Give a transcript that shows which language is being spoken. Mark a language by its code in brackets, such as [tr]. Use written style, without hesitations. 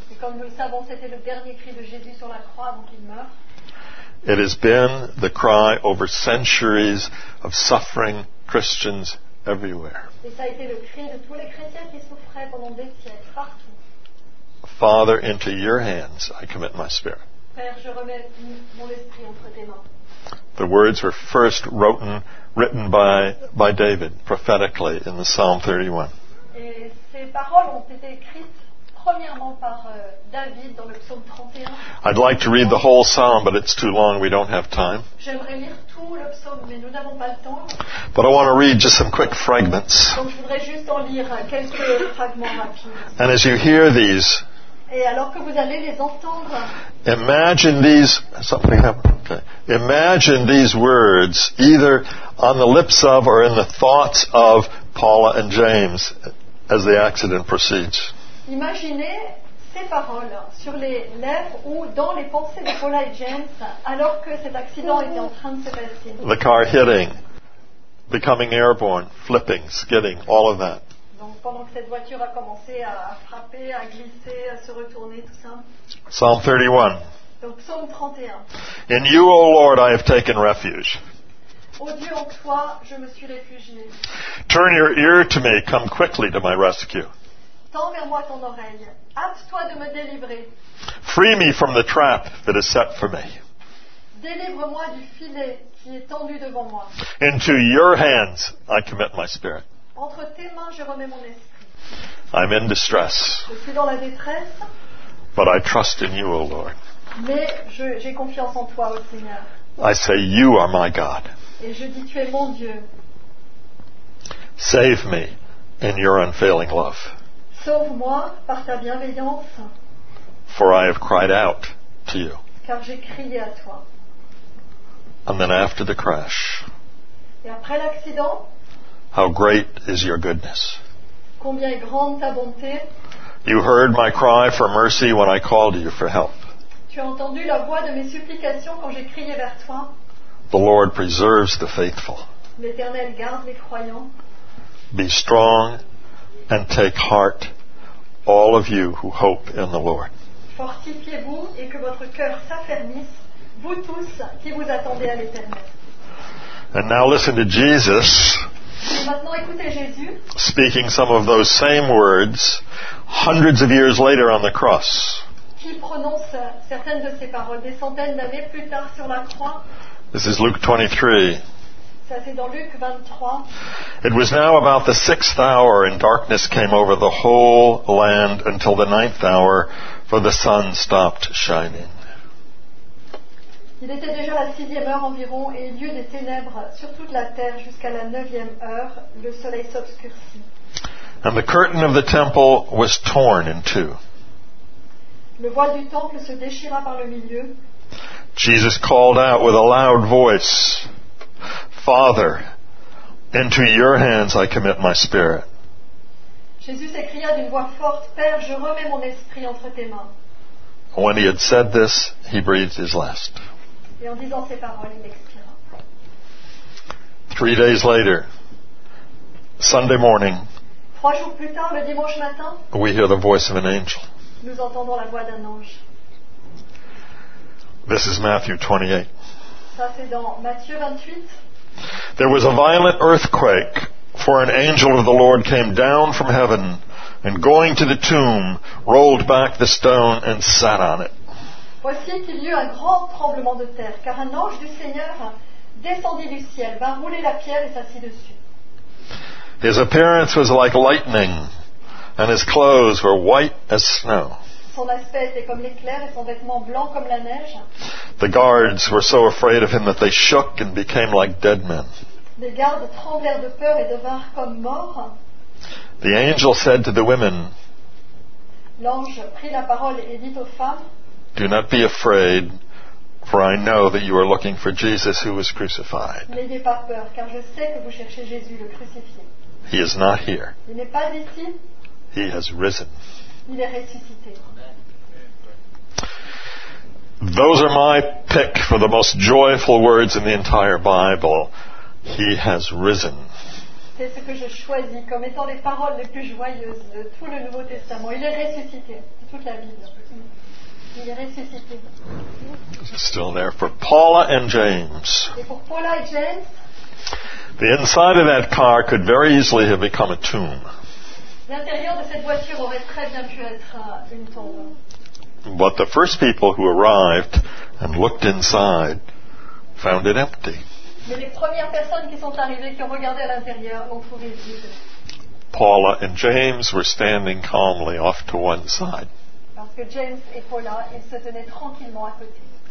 [fr] Et comme nous le savons, c'était le dernier cri de Jésus sur la croix avant qu'il meure. [en] It has been the cry over centuries of suffering Christians everywhere. [fr] Et ça a été le cri de tous les chrétiens qui souffraient pendant des siècles, partout. [en] Father, into your hands I commit my spirit. [fr] Père, je remets mon esprit entre tes mains. [en] The words were first written by David prophetically in the Psalm 31. [fr] Et ces paroles ont été écrites premièrement par David dans le psaume 31. [en] I'd like to read the whole psalm, but it's too long. We don't have time. [fr] J'aimerais lire tout le psaume, mais nous n'avons pas le temps. [en] But I want to read just some quick fragments. [fr] Donc, je voudrais juste en lire quelques fragments rapides. [en] And as you hear these, [fr] et alors que vous allez les entendre, [en] imagine these. Something happened. Okay. Imagine these words, either on the lips of or in the thoughts of Paula and James, as the accident proceeds. [fr] Imaginez ces paroles sur les lèvres ou dans les pensées de Paula et James alors que cet accident était en train de se passer. [en] The car hitting, becoming airborne, flipping, skidding, all of that. [fr] Donc pendant que cette voiture a commencé à frapper, à glisser, à se retourner, tout ça. [en] Psalm 31. [fr] Donc psaume 31. [en] In you, O Lord, I have taken refuge. [fr] Ô Dieu, en toi, je me suis réfugié. [en] Turn your ear to me, come quickly to my rescue. [fr] Tends vers moi ton oreille. Hâte-toi de me délivrer. [en] Free me from the trap that is set for me. [fr] Délivre-moi du filet qui est tendu devant moi. [en] Into your hands I commit my spirit. [fr] Entre tes mains je remets mon esprit. [en] I'm in distress. [fr] Je suis dans la détresse. [en] But I trust in you, O Lord. [fr] Mais j'ai confiance en toi, ô Seigneur. [en] I say you are my God. [fr] Et je dis tu es mon Dieu. [en] Save me in your unfailing love. [fr] Sauve-moi par ta bienveillance. [en] For I have cried out to you. [fr] Car j'ai crié à toi. [en] And then after the crash. [fr] Et après l'accident. [en] How great is your goodness. [fr] Combien est grande ta bonté. [en] You heard my cry for mercy when I called you for help. [fr] Tu as entendu la voix de mes supplications quand j'ai crié vers toi. [en] The Lord preserves the faithful. [fr] L'Éternel garde les croyants. [en] Be strong and take heart, all of you who hope in the Lord. [fr] Fortifiez-vous et que votre cœur s'affermisse, vous tous qui vous attendez à l'Éternel. [en] And now listen to Jesus. [fr] Maintenant, écoutez Jésus. [en] Speaking some of those same words hundreds of years later on the cross. [fr] Qui prononce certaines de ces paroles des centaines d'années plus tard sur la croix. [en] This is Luke 23. [fr] Ça, c'est dans Luc 23. [en] It was now about the sixth hour, and darkness came over the whole land until the ninth hour, for the sun stopped shining. [fr] Il était déjà la sixième heure environ et il y eut des ténèbres sur toute la terre jusqu'à la neuvième heure. Le soleil s'obscurcit. [en] And the curtain of the temple was torn in two. [fr] Le voile du temple se déchira par le milieu. [en] Jesus called out with a loud voice, Father, into your hands I commit my spirit. [fr] Jésus s'écria d'une voix forte, Père, je remets mon esprit entre tes mains. [en] When he had said this, he breathed his last. [fr] Et en disant ces paroles, il expira. [en] 3 days later, Sunday morning, [fr] 3 jours plus tard, le dimanche matin, [en] we hear the voice of an angel. [fr] Nous entendons la voix d'un ange. [en] This is Matthew 28. [fr] Ça, c'est dans Matthieu 28. [en] There was a violent earthquake, for an angel of the Lord came down from heaven, and going to the tomb, rolled back the stone and sat on it. [fr] Voici qu'il y eut un grand tremblement de terre, car un ange du Seigneur descendit du ciel, vint rouler la pierre et s'assit dessus. [en] His appearance was like lightning, and his clothes were white as snow. [fr] Son aspect était comme l'éclair et son vêtement blanc comme la neige. [en] The guards were so afraid of him that they shook and became like dead men. [fr] Les gardes tremblèrent de peur et devinrent comme morts. [en] The angel said to the women, [fr] l'ange prit la parole et dit aux femmes, [en] do not be afraid, for I know that you are looking for Jesus who was crucified. [fr] N'ayez pas peur, car je sais que vous cherchez Jésus le crucifié. [en] He is not here. [fr] Il n'est pas ici. [en] He has risen. [fr] Il est ressuscité. [en] Those are my pick for the most joyful words in the entire Bible. He has risen. [fr] C'est ce que je choisis comme étant les paroles les plus joyeuses de tout le Nouveau Testament. Il est ressuscité. Toute la Bible. Il est ressuscité. [en] Still there for Paula and James. [fr] Et pour Paula et James. [en] The inside of that car could very easily have become a tomb. [fr] L'intérieur de cette voiture aurait très bien pu être une tombe. [en] But the first people who arrived and looked inside found it empty. [fr] Mais les premières personnes qui sont arrivées, qui ont regardé à l'intérieur, ont trouvé vide. [en] Paula and James were standing calmly off to one side. [fr] Parce que James et Paula, ils se tenaient tranquillement à côté.